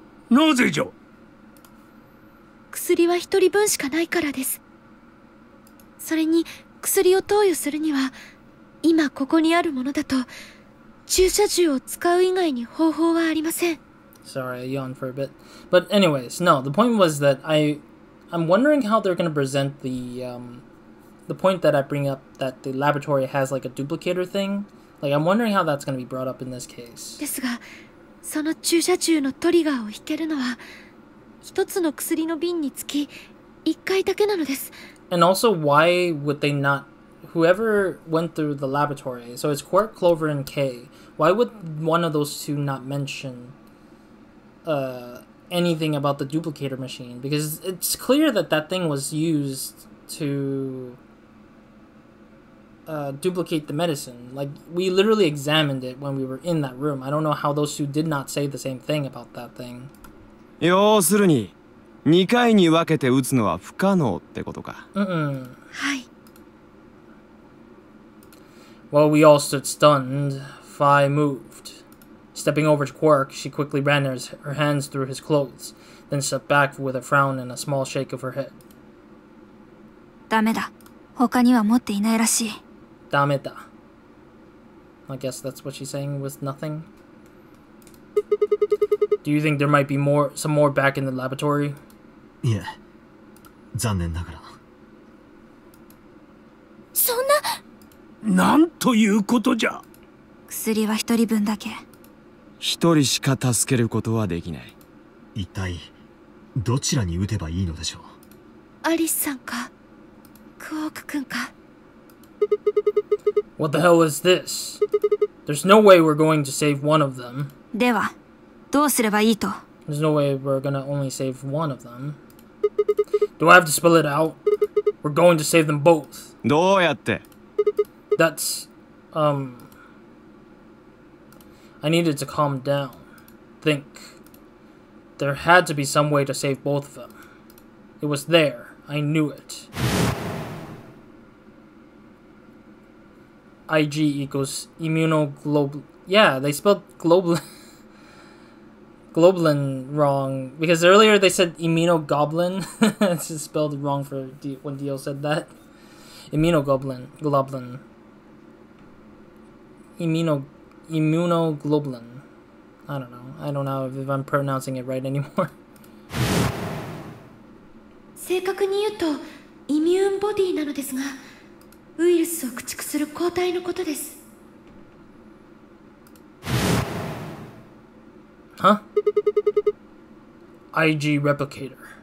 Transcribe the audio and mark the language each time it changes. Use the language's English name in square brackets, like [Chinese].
[Japanese] なぜじゃ。薬は一人分しかないからです。それに薬を投与するには、今ここにあるものだと注射銃を使う以外に方法はありません。 [English] Sorry, I yawned for a bit. But anyways, no, the point was that I'm wondering how they're going to present the point that I bring up that the laboratory has like a duplicator thing. Like, I'm wondering how that's going to be brought up in this case. [Japanese] ですが、その注射銃のトリガーを引けるのは、一つの薬の瓶につき、一回だけなのです。 [English] And also, why would they not... Whoever went through the laboratory, so it's Quark, Clover, and Kay, why would one of those two not mention anything about the duplicator machine, because it's clear that that thing was used to duplicate the medicine. Like, we literally examined it when we were in that room. I don't know how those two did not say the same thing about that thing. [Japanese] 要するに、2回に分けて打つのは不可能ってことか。はい。 [English] Well, we all stood stunned. Fi moved. Stepping over to Quark, she quickly ran her hands through his clothes, then stepped back with a frown and a small shake of her head. [Japanese] ダメだ。他には持っていないらしい。ダメだ。 [English] I guess that's what she's saying with nothing. Do you think there might be some more back in the laboratory? [Japanese] いや、残念ながら。そんな。なんということじゃ。薬は一人分だけ。一人しか助けることはできない。一体どちらに撃てばいいのでしょう。アリスさんか、クォーク君か。 [English] What the hell is this? There's no way we're going to save one of them. [Japanese] では、どうすればいいと。 [English] There's no way we're gonna only save one of them. Do I have to spell it out? We're going to save them both. [Japanese] どうやって? [English] That's, I needed to calm down. Think. There had to be some way to save both of them. It was there. I knew it. IG equals immunoglobulin. Yeah, they spelled globulin wrong. Because earlier they said immunoglobulin. It's just spelled wrong for when Dio said that. Immunoglobulin. Immunoglobulin. I don't know. I don't know if I'm pronouncing it right anymore. [Japanese] 正確に言うと、イミューンボディなのですが、ウイルスを駆逐する抗体のことです。 [English] は?IG replicator。